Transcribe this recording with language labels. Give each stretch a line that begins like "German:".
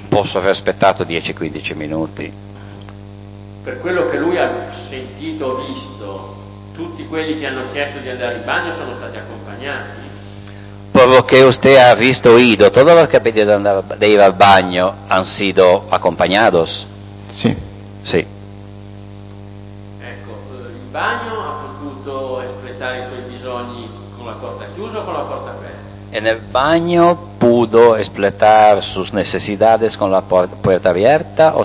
Italian: Posso aver aspettato 10-15 minuti. Per quello che lui ha sentito o visto, tutti quelli che hanno chiesto di andare in bagno sono stati accompagnati.
Spanish: Por lo que usted ha visto o oído, todos los que han pedido de ir al baño han sido acompañados? Sí.
Italian: Sí. Ecco, il bagno ha potuto espletare i suoi bisogni con la porta chiusa o con la porta aperta?
Spanish: En el baño pudo explotar sus necesidades con la puerta abierta o cerrada?